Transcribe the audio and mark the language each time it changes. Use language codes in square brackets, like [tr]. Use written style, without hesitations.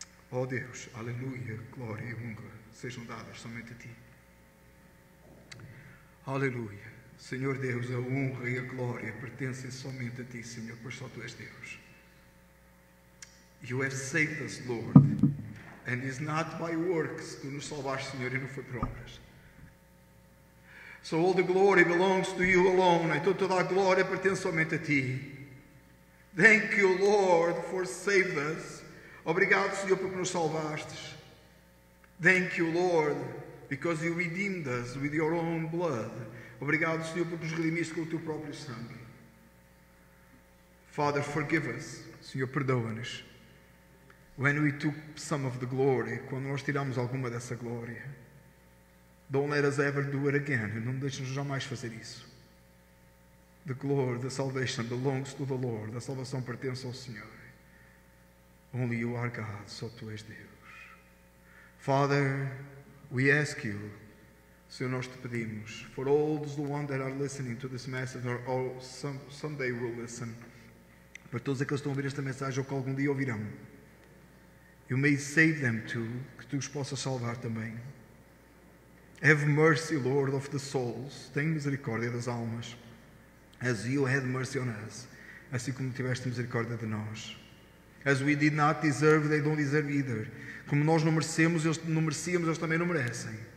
[pt] Ó Deus, aleluia, glória e honra sejam dadas somente a ti. Aleluia, Senhor Deus, a honra e a glória pertencem somente a ti, Senhor, pois só tu és Deus. [en] You have saved us, Lord, and it's not by works. [pt] Tu nos salvaste, Senhor, e não foi por obras. [en] So all the glory belongs to you alone, [pt] então toda a glória pertence somente a ti. [en] Thank you, Lord, for saving us. [pt] Obrigado, Senhor, porque nos salvastes. [en] Thank you, Lord, because you redeemed us with your own blood. [pt] Obrigado, Senhor, porque nos redimiste com o teu próprio sangue. [en] Father, forgive us. [pt] Senhor, perdoa-nos. [en] When we took some of the glory, [pt] quando nós tiramos alguma dessa glória, [en] don't let us ever do it again. [pt] Não deixe-nos jamais fazer isso. [en] The glory, the salvation belongs to the Lord. [pt] A salvação pertence ao Senhor. [en] Only you are God, [pt] só tu és Deus. [en] Father, we ask you [pt] Senhor, nós te pedimos, [en] for all those ones that are listening to this message, or all someday will listen, [pt] para todos aqueles que estão a ouvir esta mensagem ou que algum dia ouvirão, [en] you may save them too, [pt] que tu os possas salvar também. [en] Have mercy, Lord, of the souls. [pt] Tenha misericórdia das almas. [en] As you had mercy on us. [pt] Assim como tiveste misericórdia de nós. [en] As we did not deserve, they don't deserve either. [pt] Como nós não merecemos, eles não merecíamos, eles também não merecem.